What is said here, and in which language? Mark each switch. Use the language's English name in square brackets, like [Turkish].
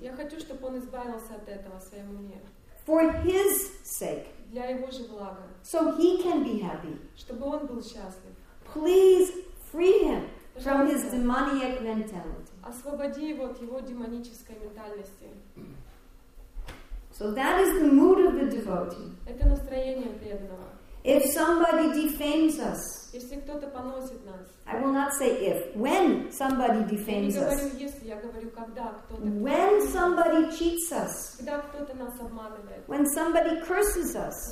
[Russian] Я хочу, чтобы он избавился от этого в своем уме. [English] For his sake. [Russian] Для его же блага. [English] So he can be happy. [Russian] Чтобы он был счастлив. [English] Please free him from his demoniac mentality. [Russian] Освободи его от его демонической ментальности. [English] So that is the mood of the devotee. [Russian] Это настроение преданного. [English] If somebody defames us, [Russian] если кто-то поносит нас, [English] I will not say if, when somebody defames us, [Russian] я не говорю если, я говорю когда кто-то, [English] when somebody cheats us, [Russian] когда кто-то нас обманывает, [English] when somebody curses us,